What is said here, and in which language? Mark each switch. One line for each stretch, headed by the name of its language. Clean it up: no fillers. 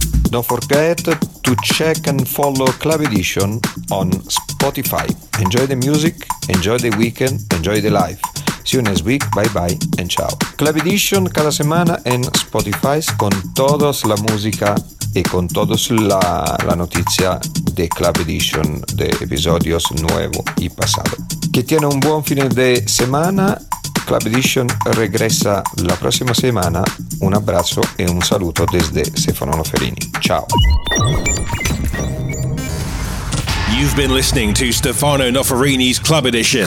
English: Don't forget to check and follow Club Edition on Spotify. Enjoy the music, enjoy the weekend, enjoy the life. See you next week, bye bye and ciao.
Spanish: Club Edition cada semana en Spotify con todos la música y con todos la noticia de Club Edition de episodios nuevo y pasado. Que tiene un buen fin de semana. Club Edition regresa la próxima semana. Un abrazo y un saludo desde Stefano Noferini.
Italian: Ciao.
English: You've been listening to Stefano Noferini's Club Edition.